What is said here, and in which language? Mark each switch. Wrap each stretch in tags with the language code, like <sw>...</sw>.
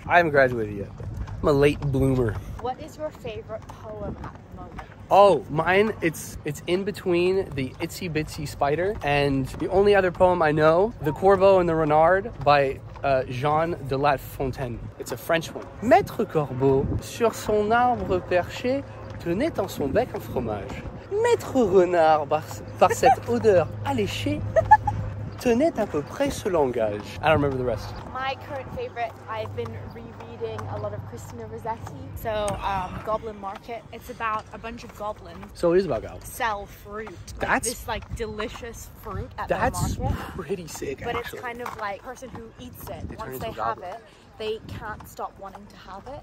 <en>I haven't graduated yet. I'm a late bloomer. What is your favorite poem at the moment? Oh, mine, it's in between the Itsy Bitsy Spider and the only other poem I know, The Corbeau and the Renard by Jean de La Fontaine. It's a French one.</en> <fr>Maître Corbeau, sur son arbre perché, tenait en son bec un fromage. Maître Renard, par cette odeur alléchée, tenait à peu près ce langage.</fr> <en>I don't remember the rest. My current favorite, I've been a lot of Christina Rossetti. So, Goblin Market. It's about a bunch of goblins. So it is about goblins. Sell fruit. That's like, this like delicious fruit at that's the market. That's pretty sick. But actually, it's kind of like person who eats it. Once they have it, they can't stop wanting to have it.</en>